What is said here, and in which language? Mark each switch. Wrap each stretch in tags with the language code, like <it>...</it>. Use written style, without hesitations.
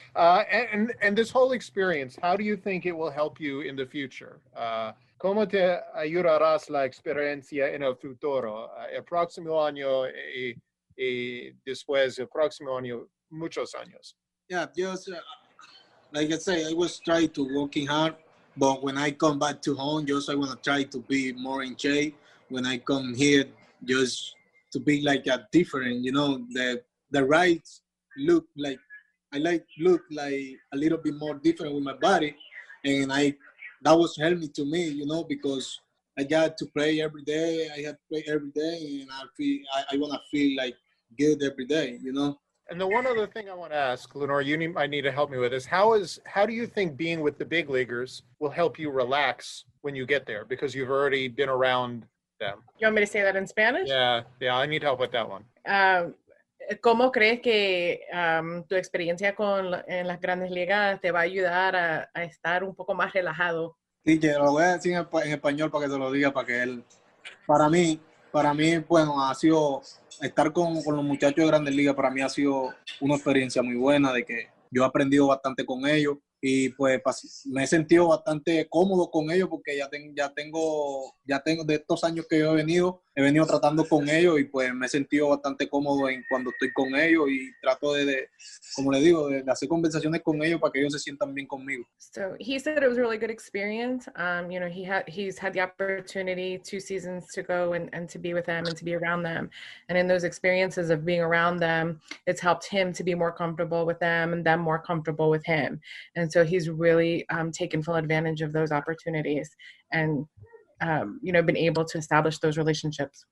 <en>And this whole experience, how do you think it will help you in the future?</en> <es>¿Cómo te ayudarás la experiencia en el futuro? El próximo año y después, el próximo año, muchos años.</es> <en>Yeah, just like I say, I was trying to working hard, but when I come back to home, just I want to try to be more in shape. When I come here, just to be like a different, you know, the right look like, I like look like a little bit more different with my body, and that was helping to me, you know, because I got to play every day. I had to play every day, and I want to feel like good every day, you know. And the one other thing I want to ask, Lenore, you might need to help me with this. How do you think being with the big leaguers will help you relax when you get there because you've already been around them? You want me to say that in Spanish? Yeah, I need help with that one.</en> <es>¿Cómo crees que tu experiencia en las grandes ligas te va a ayudar a estar un poco más relajado? Sí, lo voy a decir en español para que te lo diga, para que él... Para mí, bueno, ha sido... Estar con los muchachos de grandes ligas para mí ha sido una experiencia muy buena, de que yo he aprendido bastante con ellos y pues me he sentido bastante cómodo con ellos porque ya tengo de estos años que yo he venido tratando con ellos y pues me he sentido bastante cómodo en cuando estoy con ellos y trato de como le digo de hacer conversaciones con ellos para que ellos se sientan bien conmigo.</es> <en>So he said it was a really good experience. You know, he's had the opportunity two seasons to go and to be with them and to be around them, and in those experiences of being around them, it's helped him to be more comfortable with them and them more comfortable with him, and so he's really taken full advantage of those opportunities and you know, been able to establish those relationships.</en>